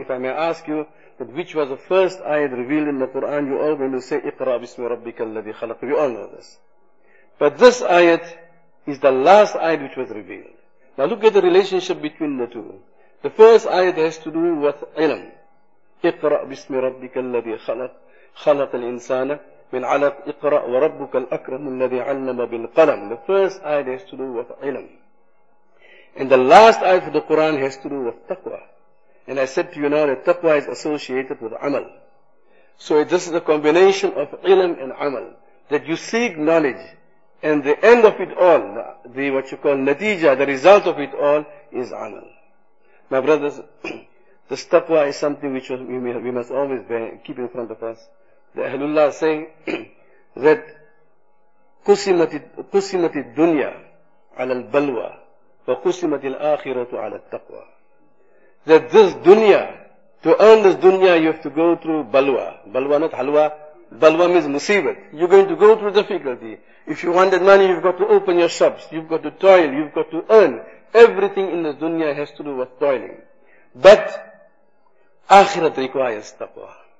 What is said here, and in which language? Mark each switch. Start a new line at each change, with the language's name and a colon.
English: If I may ask you, that which was the first ayah revealed in the Quran, you all going to say
Arabic: اِقْرَأَ بِاسْمِ رَبِّكَ الَّذِي خَلَقَ.
English: We all know this. But this ayat is the last ayat which was revealed. Now look at the relationship between the two. The first ayat has to do with ilm.
Arabic: اقرأ باسم ربك الذي خلق خلق الإنسان من علق اقرأ وربك الأكرم الذي علم بالقلم.
English: The first ayah has to do with ilm. And the last ayah of the Quran has to do with taqwa. And I said to you now that taqwa is associated with amal. So this is a combination of ilm and amal. That you seek knowledge. And the end of it all, the what you call natija, the result of it all is amal. My brothers, this taqwa is something which we must always keep in front of us. The Ahlullah say that
Arabic: قُسِمَتِ الدُّنْيَا عَلَى الْبَلْوَى وَقُسِمَتِ الْآخِرَةُ عَلَى التَّقْوَى.
English: That this dunya, to earn this dunya you have to go through balwa. Balwa not halwa. Balwa means musibat. You're going to go through difficulty. If you want that money, you've got to open your shops. You've got to toil. You've got to earn. Everything in this dunya has to do with toiling. But akhirat requires taqwa.